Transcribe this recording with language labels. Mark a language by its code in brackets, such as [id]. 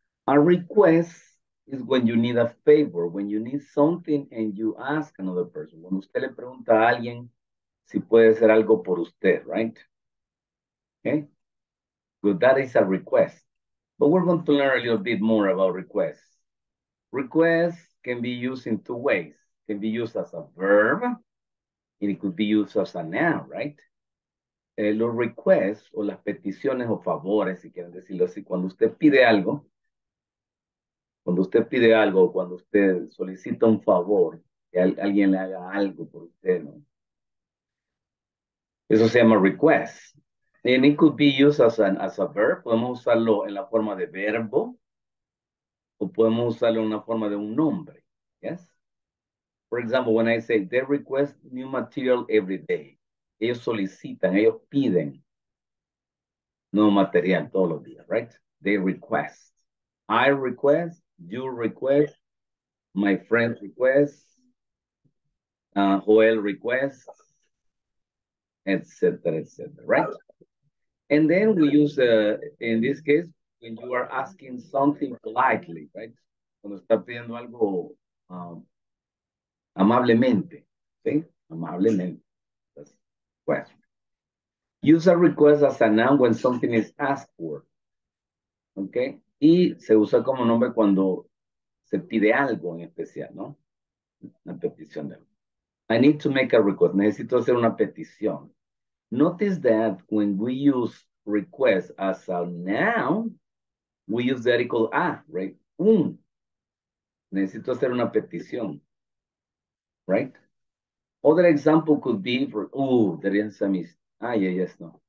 [en] A request is when you need a favor, when you need something and you ask another person. [es] Cuando usted le pregunta a alguien si puede hacer algo por usted, right? [en] Okay. Well, that is a request. But we're going to learn a little bit more about requests. Requests can be used in two ways. Can be used as a verb, and it could be used as a noun, right? [es] Los requests o las peticiones o favores, si quieren decirlo así, cuando usted pide algo, cuando usted solicita un favor, que alguien le haga algo por usted, ¿no? Eso se llama request. [en] And it could be used as a verb. [es] Podemos usarlo en la forma de verbo o podemos usarlo en la forma de un nombre, ¿yes? [en] For example, when I say they request new material every day, [es] ellos solicitan, ellos piden nuevo material todos los días, [en] right? They request. I request, you request, my friend requests, Joel requests, etc., etc., right? And then we use, in this case, when you are asking something politely, right? [es] Cuando está pidiendo algo, amablemente. ¿Sí? Amablemente. [en] Question. Use a request as a noun when something is asked for. ¿Ok? [es] Y se usa como nombre cuando se pide algo en especial, ¿no? Una petición de algo. [en] I need to make a request. [es] Necesito hacer una petición. [en] Notice that when we use request as a noun, we use the article a, right? Un. [es] Necesito hacer una petición. Right? [en] Other example could be for, there is a ah, yes, no.